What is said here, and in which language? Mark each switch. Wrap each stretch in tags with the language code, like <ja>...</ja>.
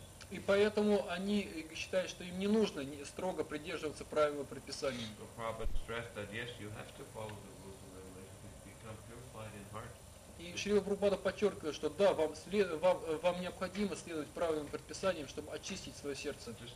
<ru>И поэтому они считают, что им не нужно строго придерживаться правил предписания.</ru> <en>So Prabhupada stressed that yes, you have to follow the rules and regulations to become purified in heart.</en> <ru>И Шрила Прабхупада подчеркивает, что да, вам необходимо следовать правилам и предписаниям, чтобы очистить свое сердце.</ru>